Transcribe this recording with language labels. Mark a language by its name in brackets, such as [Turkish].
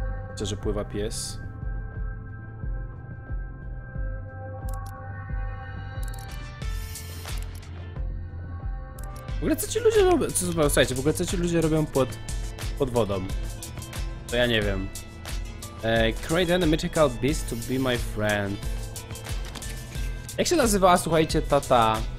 [Polish] Widzę, że pływa pies. W ogóle co ci ludzie robią? Co, słuchajcie, w ogóle co ci ludzie robią pod wodą? To ja nie wiem. [English] Create a mythical beast to be my friend. [Polish] Jak się nazywała, słuchajcie, tata?